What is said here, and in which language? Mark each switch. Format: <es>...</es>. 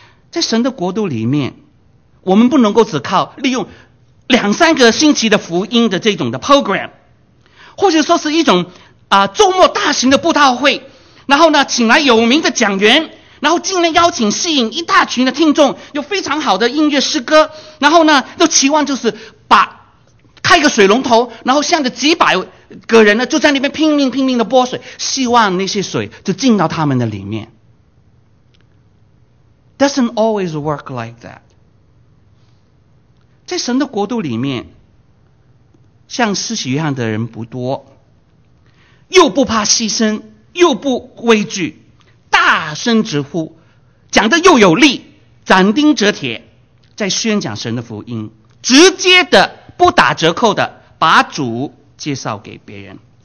<zh>在神的国度里面，我们不能够只靠利用2-3个星期的福音的这种的 program， 或者说是一种周末大型的布道会，然后呢请来有名的讲员，然后尽量邀请吸引一大群的听众，有非常好的音乐诗歌，然后呢都期望就是把开个水龙头，然后向着几百个人呢就在那边拼命拼命的拨水，希望那些水就进到他们的里面。</zh> <en>Doesn't always work like that。</en> <zh>在神的国度里面像施洗约翰的人不多，又不怕牺牲，又不畏惧，大声直呼，讲得又有力，斩钉截铁在宣讲神的福音，直接的不打折扣的把主介绍给别人。</zh>